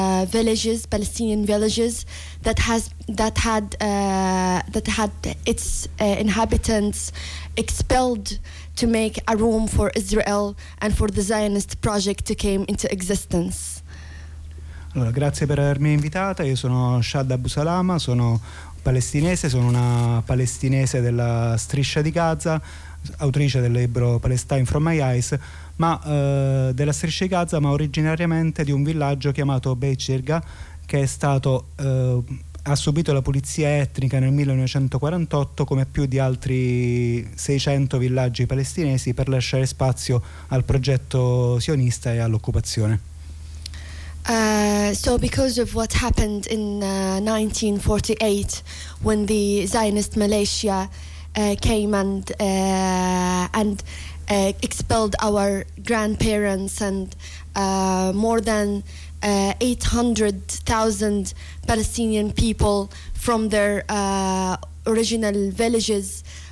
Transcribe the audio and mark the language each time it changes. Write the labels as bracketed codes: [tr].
[en] villages, Palestinian villages, that had its inhabitants expelled to make a room for Israel and for the Zionist project to came into existence. [it] Allora, grazie per avermi invitata. Io sono Shad Absalama, sono palestinese, sono una palestinese della striscia di Gaza, autrice del libro Palestine from my eyes, ma della striscia di Gaza, ma originariamente di un villaggio chiamato Beit Jirja, che è stato ha subito la pulizia etnica nel 1948, come più di altri 600 villaggi palestinesi, per lasciare spazio al progetto sionista e all'occupazione. [en] So because of what happened in 1948 when the Zionist militia came and expelled our grandparents and more than 800,000 Palestinian people from their original villages.